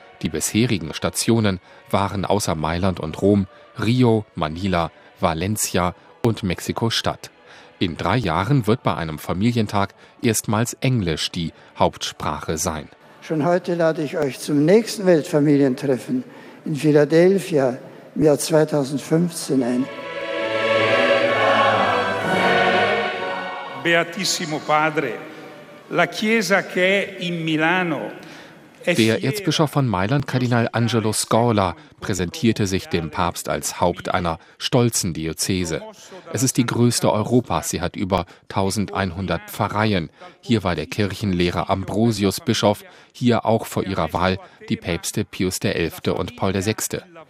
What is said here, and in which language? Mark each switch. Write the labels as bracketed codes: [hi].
[de] Die bisherigen Stationen waren außer Mailand und Rom Rio, Manila, Valencia und Mexiko-Stadt. In 3 Jahren wird bei einem Familientag erstmals Englisch die Hauptsprache sein. Schon heute lade ich euch zum nächsten Weltfamilientreffen in Philadelphia im Jahr 2015 ein. [it] Beatissimo Padre, la Chiesa che è in Milano. [de] Der Erzbischof von Mailand, Kardinal Angelo Scola, präsentierte sich dem Papst als Haupt einer stolzen Diözese. Es ist die größte Europas, sie hat über 1100 Pfarreien. Hier war der Kirchenlehrer Ambrosius Bischof, hier auch vor ihrer Wahl die Päpste Pius XI. Und Paul VI.